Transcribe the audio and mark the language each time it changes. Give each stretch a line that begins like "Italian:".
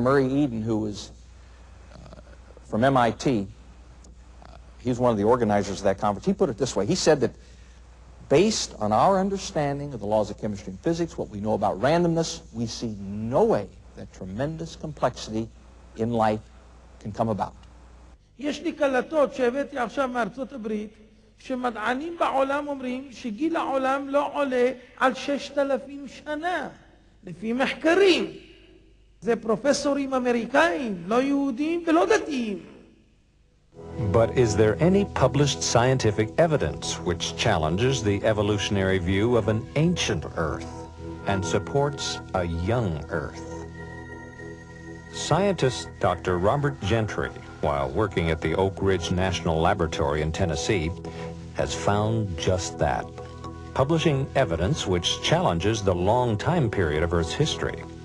English: Murray Eden, who was from MIT, he's one of the organizers of that conference, he put it this way. He said that based on our understanding of the laws of chemistry and physics, what we know about randomness, we see no way that tremendous complexity in life can come about.
Hebrew: יש לי קלטות שהבאתי עכשיו מארצות הברית, שמדענים בעולם אומרים שגיל העולם לא עולה על 6,000 שנה, לפי מחקרים. זה פרופסורים אמריקאים, לא יהודים ולא דתיים.
English: But is there any published scientific evidence which challenges the evolutionary view of an ancient Earth and supports a young Earth? Scientist Dr. Robert Gentry, while working at the Oak Ridge National Laboratory in Tennessee, has found just that, publishing evidence which challenges the long time period of Earth's history.